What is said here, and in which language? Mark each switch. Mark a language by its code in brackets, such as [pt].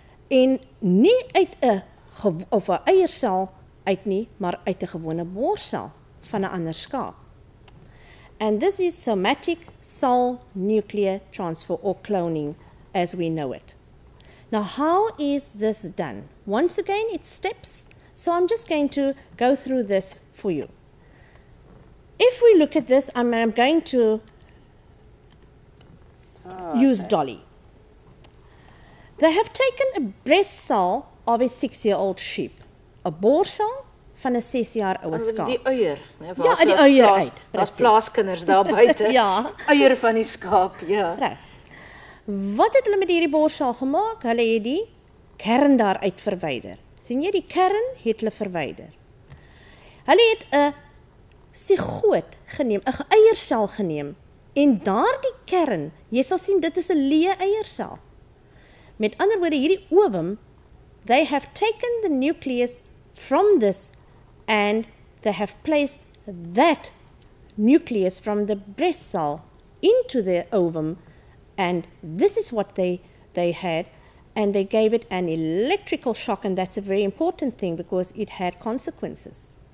[af] En nie uit 'n of 'n eiersel uit nie, maar uit 'n gewone borssel van 'n ander skaap. [en] And this is somatic cell nuclear transfer or cloning as we know it. Now, how is this done? Once again, it's steps. So I'm just going to go through this for you. If we look at this, I'm going to use Dolly. They have taken a breast cell of a 6-year-old sheep, a [af] borssel van 'n 6-jaar ou skaap. Die eier, nê? Ja, die eier uit. Daar's plaaskinders daar buite. Ja. Eier van die skaap, ja. Wat het hulle met hierdie borssel gemaak? Hulle het die kern daar uit verwyder. Sien jy, die kern het hulle verwyder. Hulle het 'n sigoot geneem, 'n eiersel geneem. En daardie kern, jy sal sien, dit is 'n leë eiersel. Met ander woorde, hierdie ovum, [en] they have taken the nucleus from this and they have placed that nucleus from the breast cell into the ovum, and this is what they had, and they gave it an electrical shock, and that's a very important thing because it had consequences.